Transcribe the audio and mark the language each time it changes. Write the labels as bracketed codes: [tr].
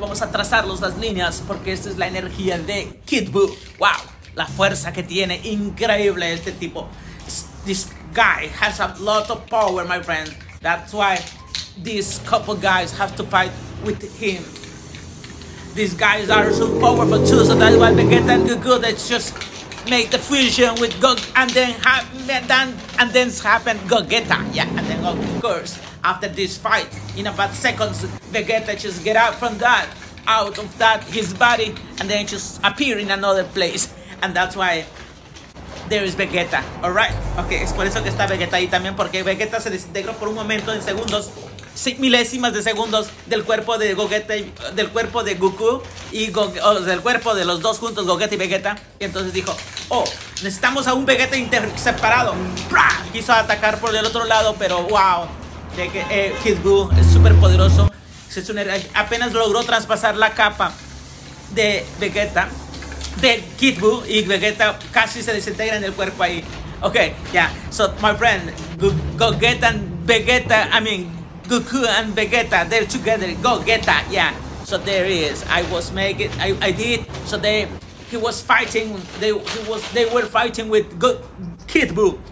[es] Vamos a trazarlos las líneas porque esta es la energía de Kid Buu. Wow, la fuerza que tiene, increíble este tipo. [en] This guy has a lot of power, my friend. That's why these couple guys have to fight with him. These guys are so powerful too, so that's why Vegeta and Goku, let's just make the fusion with Gog and then happen Gogeta. Yeah, and then of course after this fight in about seconds Vegeta just get out from that, out of that, his body, and then just appear in another place, and that's why there is Vegeta. Alright, okay, [es] es por eso que está Vegeta ahí también, porque Vegeta se desintegró por un momento en segundos, milésimas de segundos, del cuerpo de Gogeta, del cuerpo de Goku y del cuerpo de los dos juntos, Gogeta y Vegeta. Y entonces dijo, oh, necesitamos a un Vegeta separado. ¡Prah! Quiso atacar por el otro lado, pero wow, de que Kid Buu es súper poderoso. Apenas logró traspasar la capa de Vegeta, de Kid Buu, y Vegeta casi se desintegra en el cuerpo ahí. Ok, ya, yeah. [en] So my friend, Goku and Vegeta, they're together, Gogeta, yeah. So there he is, they were fighting with Kid Buu.